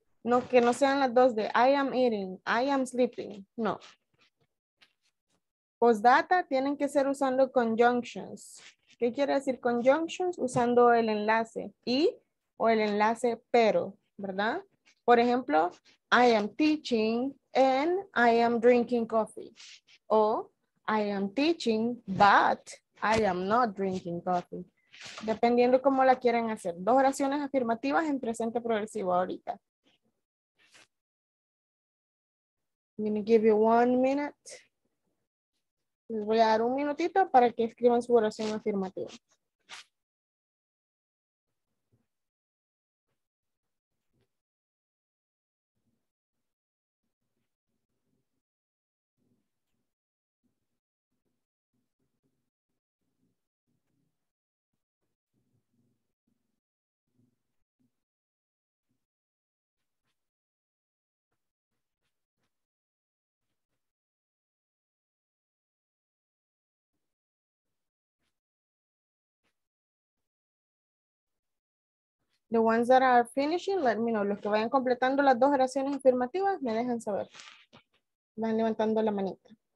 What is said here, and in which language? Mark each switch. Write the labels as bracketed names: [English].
[Spanish] No, que no sean las dos de [English] I am eating, I am sleeping, [Spanish] no. Postdata tienen que ser usando conjunctions. ¿Qué quiere decir conjunctions? Usando el enlace y o el enlace pero, ¿verdad? Por ejemplo, [English] I am teaching and I am drinking coffee. O I am teaching, but I am not drinking coffee. [Spanish] Dependiendo cómo la quieran hacer. Dos oraciones afirmativas en presente progresivo ahorita. [English] I'm going to give you 1 minute. [Spanish] Les voy a dar un minutito para que escriban su oración afirmativa. [English] The ones that are finishing, let me know. [Spanish] Los que vayan completando las dos oraciones afirmativas, me dejan saber. Van levantando la manita.